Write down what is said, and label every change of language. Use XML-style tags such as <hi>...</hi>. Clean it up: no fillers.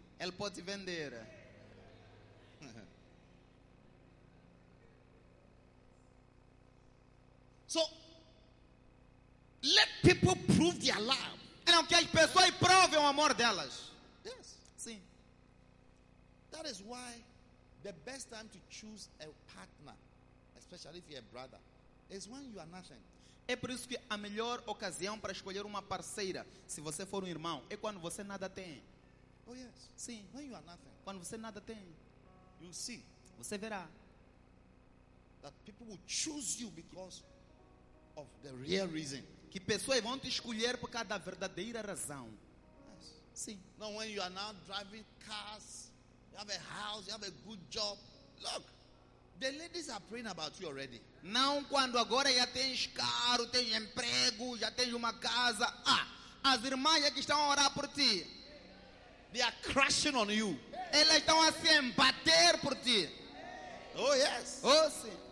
<pt>Ele pode vender.</pt> <en>So, let people prove their love.</en> <pt>Não, que as pessoas provem o amor delas.</pt> <en>Yes.</en> <pt>Sim.</pt> <en>That is why the best time to choose a partner, especially if you're a brother, is when you are nothing.</en> <pt>É por isso que a melhor ocasião para escolher uma parceira, se você for um irmão, é quando você nada tem.</pt> <en>Oh yes.</en> <pt>Sim.</pt> <en>When you are nothing.</en> <pt>Quando você nada tem.</pt> <en>You see.</en> <pt>Você verá.</pt> <en>That people will choose you because of the real reason.</en> <pt>Que pessoas vão te escolher por causa da verdadeira razão.</pt> <en>Yes.</en> <pt>Sim.</pt> <en>Now when you are now driving cars, you have a house, you have a good job. Look. The ladies are praying about you already.</en> <pt>Não quando agora já tens carro, tens emprego, já tens uma casa. Ah, as irmãs é que estão a orar por ti.</pt> <en>They are crushing on you.</en> <pt>Elas estão a se embater por ti.</pt> <en>Oh, yes.</en> <pt>Oh, sim.</pt>